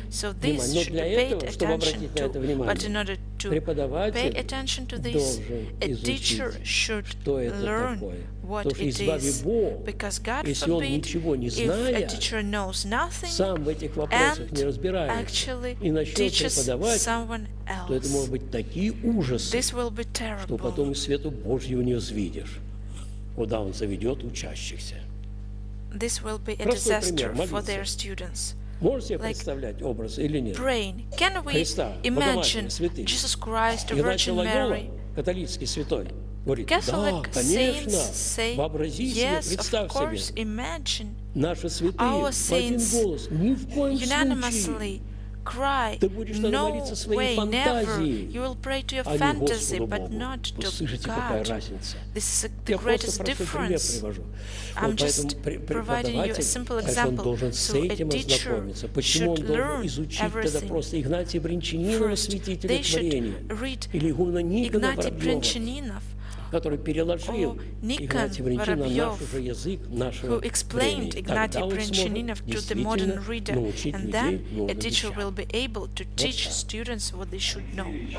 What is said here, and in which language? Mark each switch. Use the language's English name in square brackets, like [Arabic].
[English] So this should be paid attention to. But in order to pay attention to this, a teacher should learn what it is. Because God forbid, if a teacher knows nothing and actually teaches someone else, [Russian] то это может быть такие ужасы, что потом и свету Божьего не взвидишь, куда он заведет учащихся. [English] This will be a disaster for their students. [Russian] Можете себе представлять образ или нет? [English] Praying. Can we imagine Jesus Christ, the Virgin Mary? [Russian] Католический святой говорит: да, конечно. Вообрази себе, представь себе. Наши святые в один голос, ни в коем случае. [English] Cry, no way, never. You will pray to your fantasy, but not to God. This is the greatest difference. I'm just providing you a simple example. So a teacher should learn everything. First, they should read Игнатий Брянчанинов, [Russian] который переложил Игнатий Брянчанинов на наш язык, нашего времени. [English] Who explained Игнатий Брянчанинов to the modern reader, and then a teacher will be able to teach students what they should know.